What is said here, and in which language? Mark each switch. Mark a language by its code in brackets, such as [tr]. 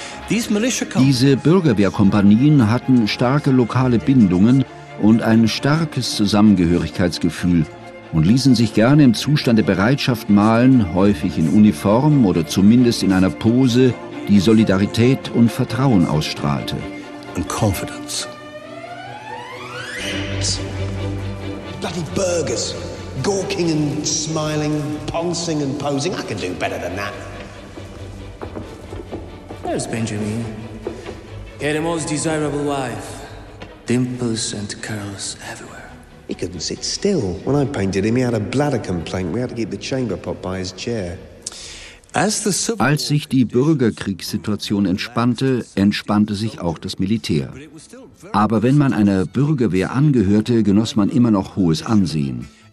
[de] Diese Bürgerwehrkompanien hatten starke lokale Bindungen und ein starkes Zusammengehörigkeitsgefühl und ließen sich gerne im Zustand der Bereitschaft malen, häufig in Uniform oder zumindest in einer Pose, die Solidarität und Vertrauen ausstrahlte. [en] And confidence. Bloody burgers, gawking and smiling, poncing and posing. I can do better than that. There's Benjamin. Get a most desirable wife. Dimples and curls everywhere. He couldn't sit still. When I painted him, he had a bladder complaint. We had to keep the chamber pot by his chair. [de] Als sich die Bürgerkriegssituation entspannte, entspannte sich auch das Militär. Aber wenn man einer Bürgerwehr angehörte, genoss man immer noch hohes Ansehen.